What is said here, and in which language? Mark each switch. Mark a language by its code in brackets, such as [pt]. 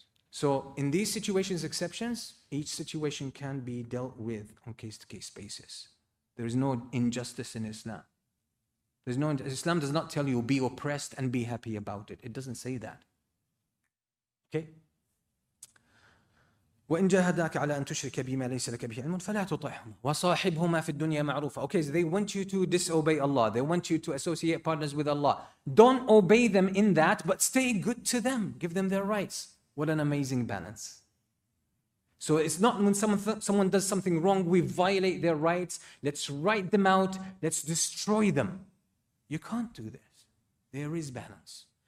[en] So in these situations, exceptions, each situation can be dealt with on case-to-case basis. There is no injustice in Islam. Islam does not tell you be oppressed and be happy about it. It doesn't say that. Okay? [ar] وإن جاهداك على أن تشرك بما ليس لك به علم فلا تطعهما وصاحبهما في الدنيا معروفة. [en] Okay, so they want you to disobey Allah. They want you to associate partners with Allah. Don't obey them in that, but stay good to them. Give them their rights. What an amazing balance. So it's not when someone does something wrong, we violate their rights. Let's write them out. Let's destroy them. You can't do this. There is balance.